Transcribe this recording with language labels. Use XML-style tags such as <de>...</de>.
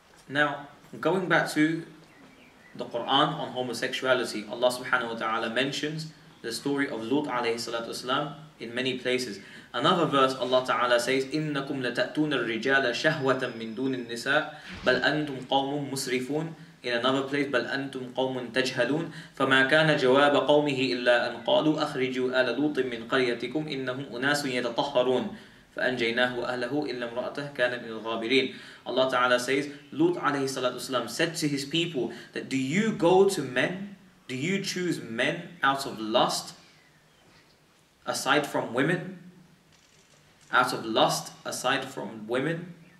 <en>Okay. Now, going back to the Quran on homosexuality, Allah subhanahu wa ta'ala mentions the story of Lut alayhi salatu wasalam in many places. Another verse, Allah ta'ala says,</en> <ar>إِنَّكُمْ لَتَأْتُونَ الرِّجَالَ شَهْوَةً مِّن دُونِ النِّسَاءِ بَلْ أَنْتُمْ قَوْمٌ مُسْرِفُونَ.</ar> <en>In another place,</en> <ar>بَلْ أَنْتُمْ قَوْمٌ تَجْهَلُونَ فَمَا كَانَ جَوَابَ قَوْمِهِ إِلَّا أَنْ قَالُوا أَخْرِجُوا آلَ لُوطٍ مِّن قَرْيَتِكُمْ إِنَّهُمْ أُنَاسٌ يَتَطَهَّرُونَ فَأَنْجَيْنَاهُ وَأَهْلَهُ إِلَّا امْرَأَتَهُ كَانَتْ مِنَ الْغَابِرِينَ.</ar> <en>Allah Ta'ala says, Lut alayhi salatu wasalam said to his people that, do you go to men? Do you choose men out of lust aside from women? Out of lust aside from women?</en>